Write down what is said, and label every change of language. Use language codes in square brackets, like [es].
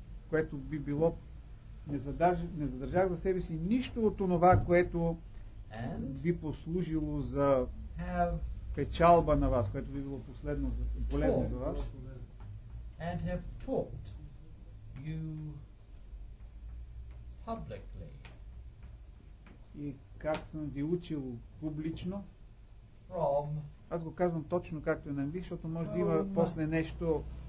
[bg] Което би било, не задържах за себе си нищо от това, което би послужило за печалба на вас, което би било последно за, полезно за вас. [en] And have taught you publicly. [bg] И как съм ви учил публично. [en] From. [bg] Аз го казвам точно както е на английски, защото може да има после нещо.